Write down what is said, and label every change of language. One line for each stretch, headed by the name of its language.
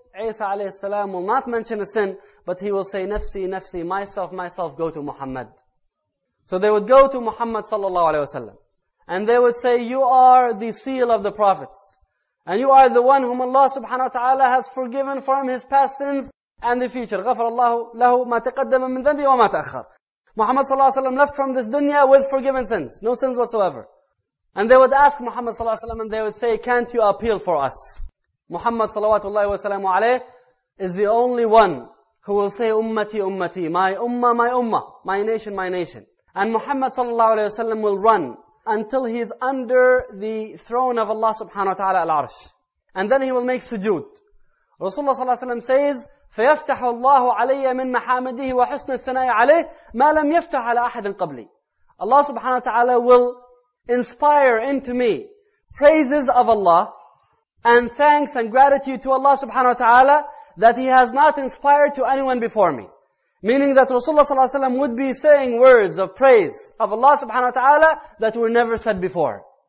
English: Isa alayhi salam will not mention a sin, but he will say, nafsi, nafsi, myself, myself, go to Muhammad. So they would go to Muhammad sallallahu alayhi wasallam. And they would say, you are the seal of the prophets. And you are the one whom Allah subhanahu wa ta'ala has forgiven from his past sins and the future.
Arabic: غفر الله له ما تقدم من ذنبه وما تأخر.
English: Muhammad sallallahu alayhi wasallam left from this dunya with forgiven sins. No sins whatsoever. And they would ask Muhammad sallallahu alayhi wasallam, and they would say, can't you appeal for us? Muhammad sallallahu alayhi is the only one who will say, ummati, ummati, my ummah, my ummah, my nation, my nation. And Muhammad sallallahu alayhi wasallam will run until he is under the throne of Allah subhanahu wa ta'ala al-arsh. And then he will make sujood. Rasulullah sallallahu alayhi wasallam says,
Arabic: فَيَفْتَحُ اللَّهُ عَلَيَّ مِنْ مَحَامِدِهِ وَحُسْنُ الثَّنَاءِ عَلَيْهِ مَا لَمْ يَفْتَحْ عَلَىٰ أَحَدٍ قَبْلِي.
English: Allah subhanahu wa ta'ala will inspire into me praises of Allah and thanks and gratitude to Allah subhanahu wa ta'ala that he has not inspired to anyone before me. Meaning that Rasulullah sallallahu alayhi wa sallam would be saying words of praise of Allah subhanahu wa ta'ala that were never said before.